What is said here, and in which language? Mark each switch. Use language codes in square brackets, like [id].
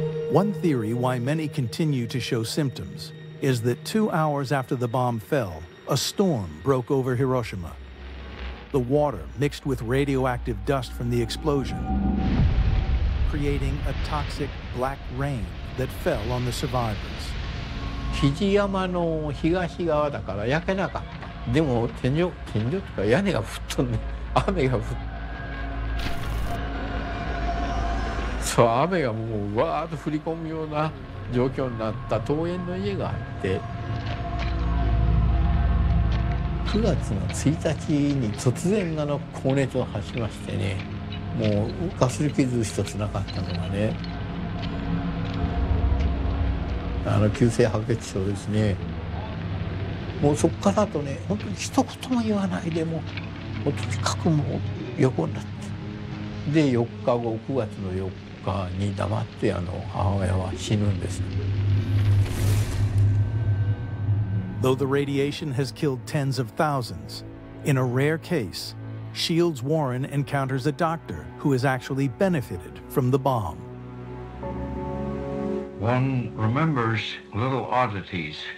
[en] One theory why many continue to show symptoms is that 2 hours after the bomb fell, a storm broke over Hiroshima. The water mixed with radioactive dust from the explosion, creating a toxic black rain that fell on the survivors. [ja] Fujiyama の東側だから焼けなかった。でも天井とか屋根が吹っ飛んで、雨が降って。そう、雨がもうわーっと降り込むような状況になった桃園の家があって9月の1日に突然高熱を発しましてね、もうかすり傷一つなかったのがね、急性白血症ですね。もうそこからとね、本当に一言も言わないで、もうとにかくもう横になって、で4日後、9月の4日に黙って母親は死ぬんです。 [en] Though the radiation has killed tens of thousands, in a rare case, Shields Warren encounters a doctor who has actually benefited from the bomb. One remembers little oddities.